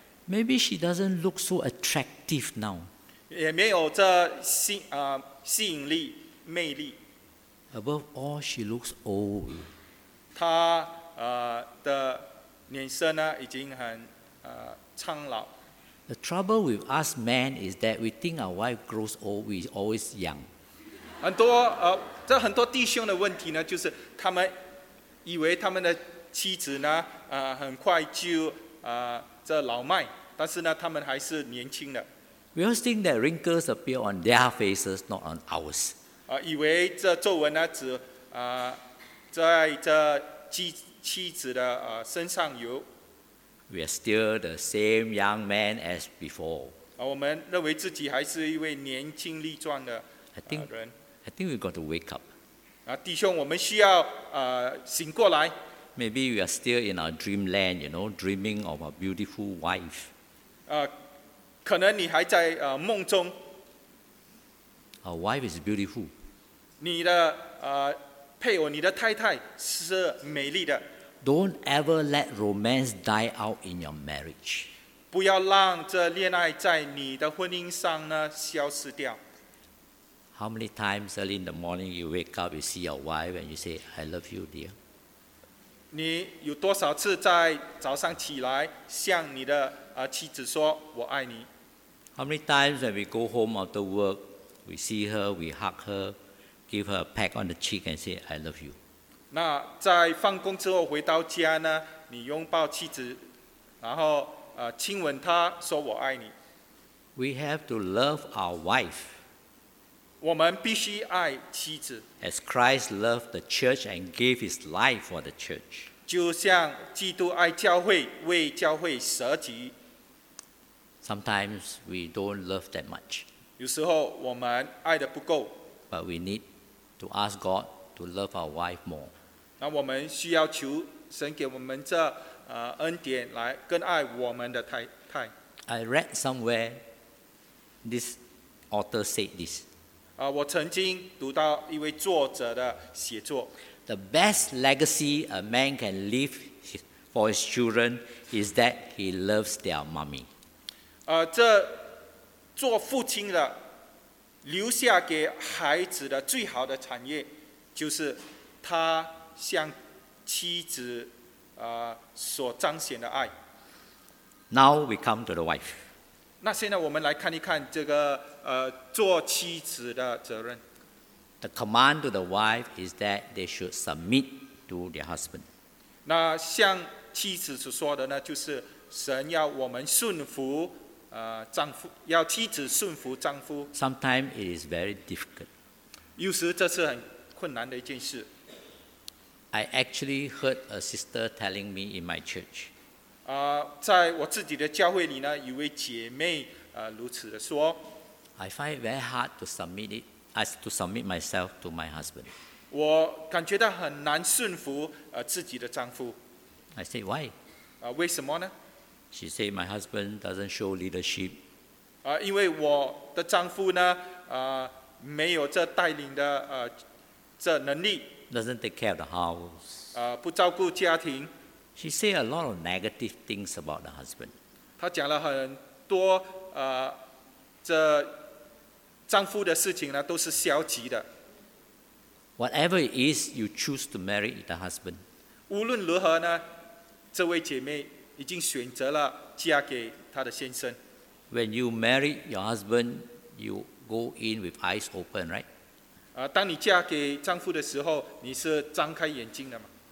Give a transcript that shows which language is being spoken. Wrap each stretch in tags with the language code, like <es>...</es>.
<en>Maybe she doesn't look so attractive now.</en> <zh>也没有这吸引力魅力。</zh> <en>Above all, she looks old.</en> <zh>她的脸色呢已经很苍老。</zh> <en>The trouble with us men is that we think our wife grows old, we always young.</en> <zh>很多这很多弟兄的问题呢，就是他们以为他们的妻子呢，很快就这老迈，但是呢，他们还是年轻的。</zh> <en>We always think that wrinkles appear on their faces, not on ours.</en> <zh>以为这皱纹呢，只在这妻子的身上有。</zh> <en>We are still the same young man as before.</en> <zh>我们认为自己还是一位年轻力壮的人。</zh> <en>I think we've got to wake up.</en> <zh>弟兄，我们需要醒过来。</zh> <en>Maybe we are still in our dreamland, you know, dreaming of a beautiful wife.</en> <zh>可能你还在梦中。</zh> <en>Our wife is beautiful.</en> <zh>你的配偶你的太太是美丽的。</zh> <en>Don't ever let romance die out in your marriage.</en> <zh>不要让这恋爱在你的婚姻上呢消失掉。</zh> <en>How many times early in the morning you wake up, you see your wife and you say, I love you, dear?</en> <zh>你有多少次在早上起来向你的妻子说我爱你？</zh> <en>How many times when we go home after work, we see her, we hug her, give her a peck on the cheek and say, I love you?</en> <zh>那在放工之后回到家呢，你拥抱妻子，然后亲吻她，说我爱你。</zh> <en>We have to love our wife.</en> <zh>我们必须爱妻子。</zh> <en>As Christ loved the church and gave his life for the church.</en> <zh>就像基督爱教会，为教会舍己。</zh> <en>Sometimes we don't love that much.</en> <zh>有时候我们爱得不够。</zh> <en>But we need to ask God to love our wife more.</en> <zh>那我们需要求神给我们这恩典来更爱我们的太太。</zh> <en>I read somewhere this author said this.</en> <zh>我曾经读到一位作者的写作。</zh> <en>The best legacy a man can leave for his children is that he loves their mommy.</en> <zh>这做父亲的留下给孩子的最好的产业就是他向妻子所彰显的爱。</zh> <en>Now we come to the wife.</en> <zh>那现在我们来看一看这个做妻子的责任。</zh> <en>The command to the wife is that they should submit to their husband.</en> <zh>那向妻子所说的呢，就是神要我们顺服丈夫，要妻子顺服丈夫。</zh> <en>Sometimes it is very difficult.</en> <zh>有时这是很困难的一件事。</zh> <en>I actually heard a sister telling me in my church.</en> <zh>在我自己的教会里呢，一位姐妹如此的说。</zh> <en>I find it very hard to submit it, as to submit myself to my husband.</en> <zh>我感觉到很难顺服自己的丈夫。</zh> <en>I say why?</en> <zh>为什么呢？</zh> <en>She said my husband doesn't show leadership.</en> <zh>因为我的丈夫呢，没有这带领的这能力。</zh> <en>Doesn't take care of the house.</en> <zh>不照顾家庭。</zh> <en>She said a lot of negative things about the husband.</en> <zh>她讲了很多这丈夫的事情呢，都是消极的。</zh> <en>Whatever it is, you choose to marry the husband.</en> <zh>无论如何呢，这位姐妹已经选择了嫁给她的先生。</zh> <en>When you marry your husband, you go in with eyes open, right?</en> <zh>当你嫁给丈夫的时候，你是张开眼睛的吗？</zh>